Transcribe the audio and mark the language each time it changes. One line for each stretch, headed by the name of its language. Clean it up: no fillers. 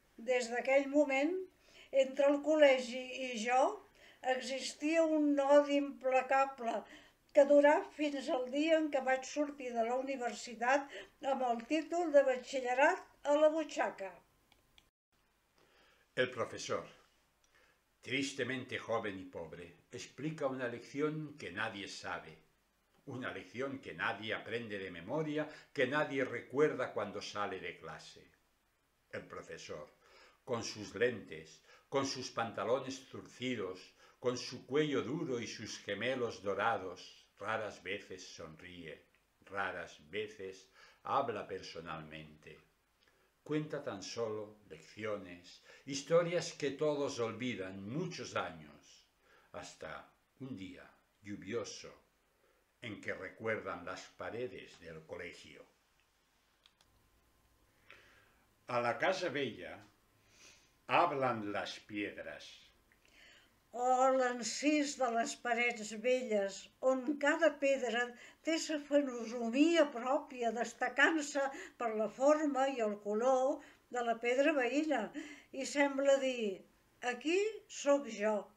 Catalan: Des d'aquell moment, entre el col·legi i jo, existia un nod implacable que durà fins al dia en què vaig sortir de la universitat amb el títol de batxillerat a la butxaca. El professor.
Spanish: tristemente joven y pobre, explica una lección que nadie sabe, una lección que nadie aprende de memoria, que nadie recuerda cuando sale de clase. El profesor, con sus lentes, con sus pantalones zurcidos, con su cuello duro y sus gemelos dorados, raras veces sonríe, raras veces habla personalmente. Cuenta tan solo lecciones, historias que todos olvidan muchos años, hasta un día lluvioso en que recuerdan las paredes del colegio. A la casa bella hablan las piedras.
Catalan: Oh, l'encís de les parets velles, on cada pedra té sa fenosomia pròpia, destacant-se per la forma i el color de la pedra veïna, i sembla dir, aquí sóc jo.